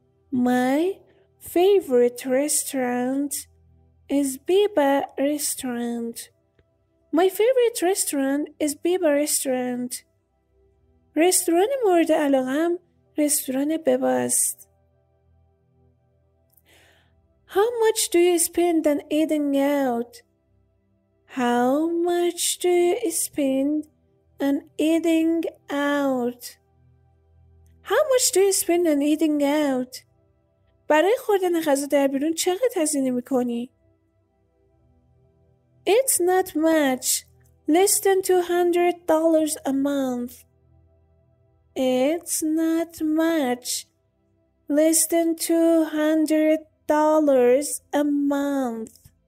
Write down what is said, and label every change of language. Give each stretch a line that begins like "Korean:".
English: My favorite restaurant is Biba restaurant. My favorite restaurant is Biba restaurant.
Persian: رستوران مورد علاقم رستوران بباست.
English: How much do you spend on eating out? How much do you spend on eating out? How much do you spend on eating out?
Persian: برای خوردن غذا در بیرون چقدر هزینه میکنی؟
English: It's not much. Less than $200 a month. It's not much. Less than $200 a month.